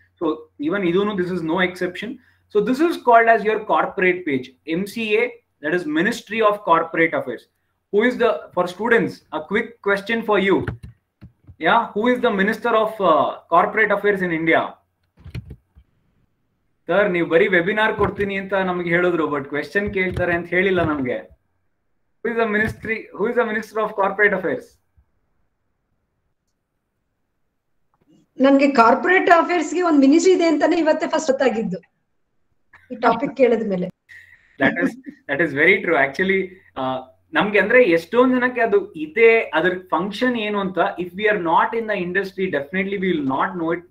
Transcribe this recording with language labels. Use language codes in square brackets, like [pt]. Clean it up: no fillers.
[en] So even ಇದೂ this is no exception. So this is called as your corporate page, MCA, that is ministry of corporate affairs. Who is the, for students a quick question for you, yeah, who is the minister of corporate affairs in India? [kn] Sir ನೀವು ಬರೀ webinar ಕೊಡ್ತೀನಿ ಅಂತ ನಮ್ಗೆ ಹೇಳಿದ್ರು, but question ಕೇಳ್ತಾರೆ ಅಂತ ಹೇಳಿಲ್ಲ ನಮ್ಗೆ. [en] Who is the minister of corporate affairs? [kn] ನನಗೆ ಕಾರ್ಪೊರೇಟ್ ಅಫೇರ್ಸ್ ಗೆ ಒಂದು ಮಿನಿಸ್ಟ್ರಿ ಇದೆ ಅಂತಾನೆ ಇವತ್ತೇ ಫಸ್ಟ್ ಗೊತ್ತಾಗಿದ್ದು ಈ ಟಾಪಿಕ್ ಕೇಳಿದ ಮೇಲೆ. [en] That is very true. Actually [kn] ನಮ್ಗೆ ಅಂದ್ರೆ ಎಷ್ಟೊಂದು ಜನಕ್ಕೆ ಅದು ಇದೆ, ಅದ್ರ ಫಂಕ್ಷನ್ ಏನು ಅಂತ, [en] If we are not in the industry definitely we will not know it.